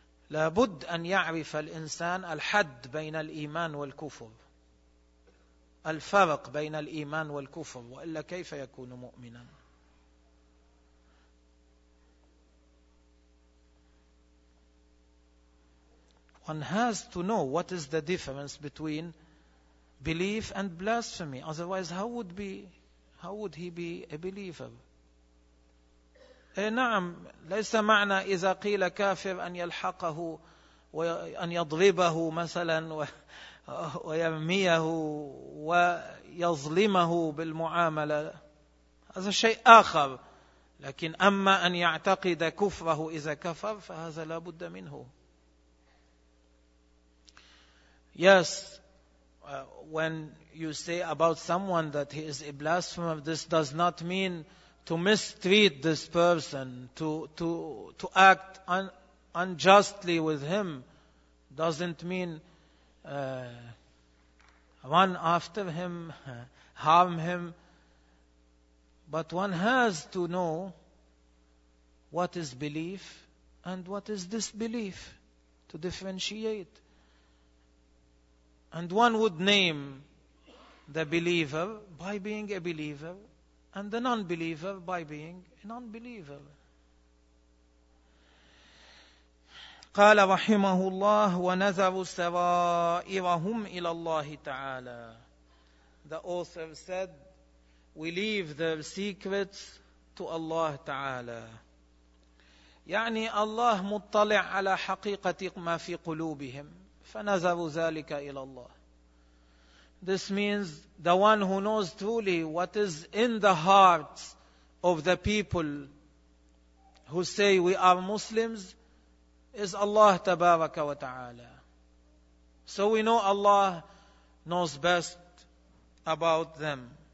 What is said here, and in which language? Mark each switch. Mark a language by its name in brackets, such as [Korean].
[Arabic] لابد أن يعرف الإنسان الحد بين الإيمان والكفر, الفرق بين الإيمان والكفر, وإلا كيف يكون مؤمنا؟ [English] One has to know what is the difference between belief and blasphemy. Otherwise, how would he be a believer? [Arabic] نعم, ليس معنى إذا قيل كافر أن يلحقه وأن يضربه مثلا ويرميه ويظلمه بالمعاملة, هذا شيء آخر. لكن أما أن يعتقد كفره إذا كفر فهذا لا بد منه. [English] Yes, when you say about someone that he is a blasphemer, this does not mean to mistreat this person, to act unjustly with him. Doesn't mean run after him, harm him. But one has to know what is belief and what is disbelief to differentiate. And one would name the believer by being a believer and the non-believer by being a non-believer. [Arabic] قال رحمه الله ونذروا سرائرهم إلى الله تعالى. [English] The author said, we leave their secrets to Allah تعالى. [Arabic] يعني الله مطلع على حقيقة ما في قلوبهم. فَنَذَرُوا ذَلِكَ إِلَى اللَّهِ. [English] This means the one who knows truly what is in the hearts of the people who say we are Muslims, is Allah Tabaraka wa Ta'ala. So we know Allah knows best about them.